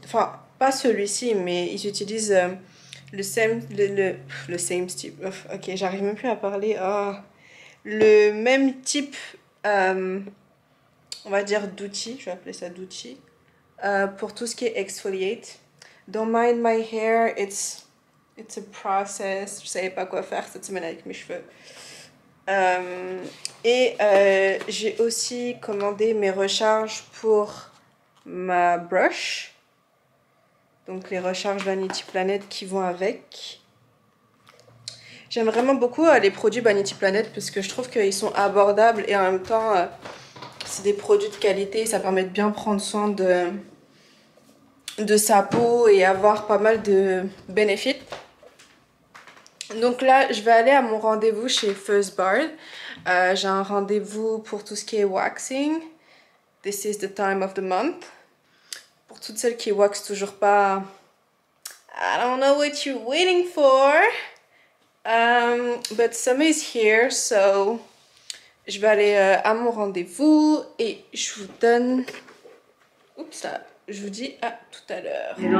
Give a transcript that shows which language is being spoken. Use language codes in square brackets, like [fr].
[fr] Enfin, pas celui-ci, mais ils utilisent le [en] same type. [fr] Ouf, ok, j'arrive même plus à parler. Oh. Le même type, on va dire d'outils, je vais appeler ça d'outils, pour tout ce qui est exfoliate. [en] Don't mind my hair, it's a process. [fr] Je savais pas quoi faire cette semaine avec mes cheveux. J'ai aussi commandé mes recharges pour ma brush. Donc les recharges Vanity Planet qui vont avec. J'aime vraiment beaucoup les produits Vanity Planet parce que je trouve qu'ils sont abordables et en même temps, c'est des produits de qualité. Ça permet de bien prendre soin de sa peau et avoir pas mal de bénéfices. Donc là, je vais aller à mon rendez-vous chez First Bard. J'ai un rendez-vous pour tout ce qui est waxing. [en] This is the time of the month. [fr] Pour toutes celles qui waxent toujours pas, [en] I don't know what you're waiting for, but summer is here, so [fr] je vais aller à mon rendez-vous et je vous donne, oups là, je vous dis à tout à l'heure.